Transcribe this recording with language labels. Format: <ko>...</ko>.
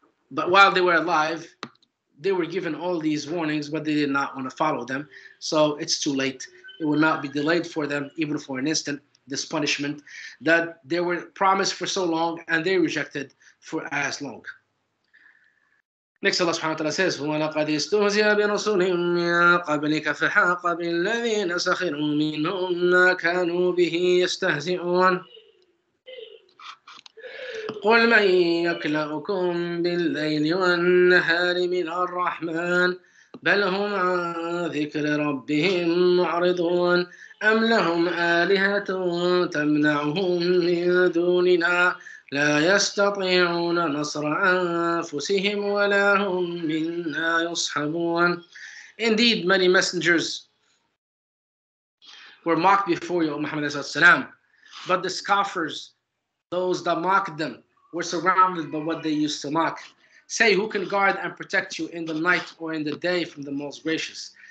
<en>But while they were alive, they were given all these warnings, but they did not want to follow them. So it's too late. It will not be delayed for them, even for an instant, this punishment that they were promised for so long and they rejected for as long. Next, Allah subhanahu wa ta'ala says,</en> <ar>وَلَقَدْ إِسْتُهْزِئَ بِرُسُلٍ مِّن قَبْلِكَ فَحَاقَ بِالَّذِينَ سَخِرُوا مِنْهُمْ مَا كَانُوا بِهِ يَسْتَهْزِئُونَ, قُلْ مَنْ يَكْلَأُكُمْ بِاللَّيْلِ وَالنَّهَارِ مِنَ الرَّحْمَنِ, بَلْ هُمْ عَنْ ذِكْرِ رَبِّهِمْ مُعْرِضُونَ, أَمْ لَهُمْ آلِهَةٌ تَمْنَعُهُمْ مِنْ دُونِنَا, لَا يَسْتَطِيعُونَ نَصْرَ أَنفُسِهِمْ وَلَا هُمْ مِنَّا يُصْحَبُونَ.</ar> <en>Indeed, many messengers were mocked before you, O Muhammad sallallahu alayhi wa sallam, but the scoffers, those that mocked them, were surrounded by what they used to mock. Say, who can guard and protect you in the night or in the day from the Most Gracious?</en>